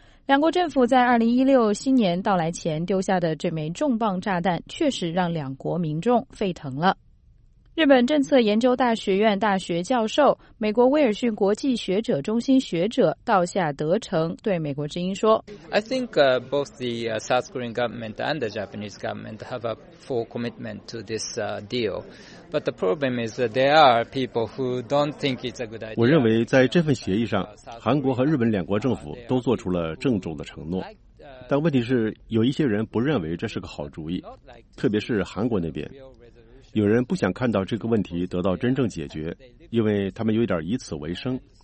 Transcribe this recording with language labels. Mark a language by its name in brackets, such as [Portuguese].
[Chinese] 两国政府在2016新年到来前丢下的这枚重磅炸弹，确实让两国民众沸腾了。日本政策研究大学院大学教授、美国威尔逊国际学者中心学者道下德成对美国之音说 [English] ：“I think both the South Korean government and the Japanese government have a full commitment to this deal.” But the problem is that there are people who don't think it's a good idea. [Chinese] 我认为在这份协议上，韩国和日本两国政府都做出了郑重的承诺。但问题是，有一些人不认为这是个好主意，特别是韩国那边，有人不想看到这个问题得到真正解决，因为他们有点以此为生。